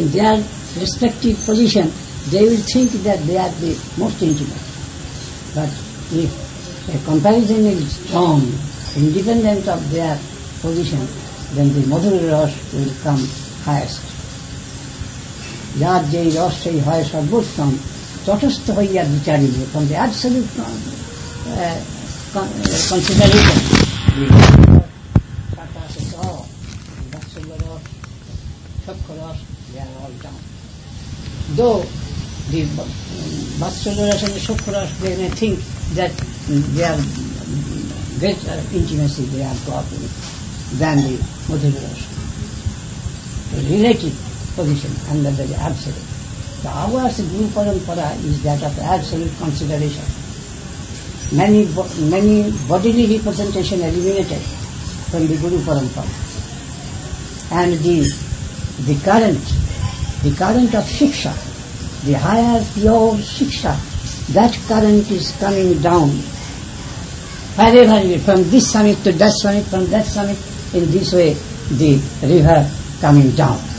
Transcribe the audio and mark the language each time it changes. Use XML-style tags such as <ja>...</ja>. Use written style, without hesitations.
<en>In their respective position, they will think that they are the most intimate. But if a comparison is strong, independent of their position, then the Madhura Ras will come highest.</en> <bn>যে রসই হয় সর্বোত্তম তটস্থ হইয়া বিচারিবাসের</bn> <en>position under the absolute. So ours Guru Parampara is that of absolute consideration. Many bodily representation eliminated from the Guru Parampara. And the current of Shiksha, the higher pure Shiksha, that current is coming down wherever from this summit to that summit, from that summit, in this way the river coming down.</en>